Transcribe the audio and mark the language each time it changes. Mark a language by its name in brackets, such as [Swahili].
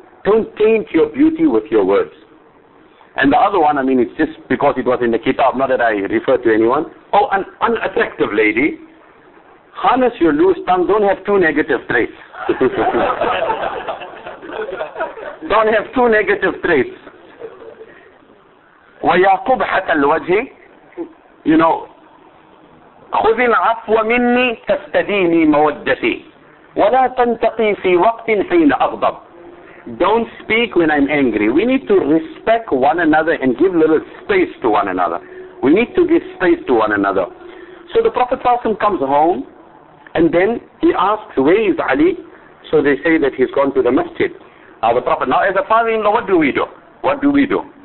[English] Don't taint your beauty with your words. And the other one, I mean, it's just because it was in the kitab, not that I refer to anyone. Oh, an unattractive lady, harness your loose tongue, don't have two negative traits. Don't have two negative traits. [Arabic] وَيَا قُبْحَةَ الْوَجْهِ [English] You know, [Arabic] خُذِ الْعَفْوَ مِنِّي تَفْتَدِينِي مَوَدَّتِي وَلَا تَنْتَقِي فِي وَقْتٍ حِينَ أَغْضَبْ [English] Don't speak when I'm angry. We need to respect one another and give little space to one another. We need to give space to one another. So the Prophet ﷺ comes home, and then he asks, where is Ali? So they say that he's gone to the masjid. Now the Prophet, now as a father-in-law, what do we do? What do we do?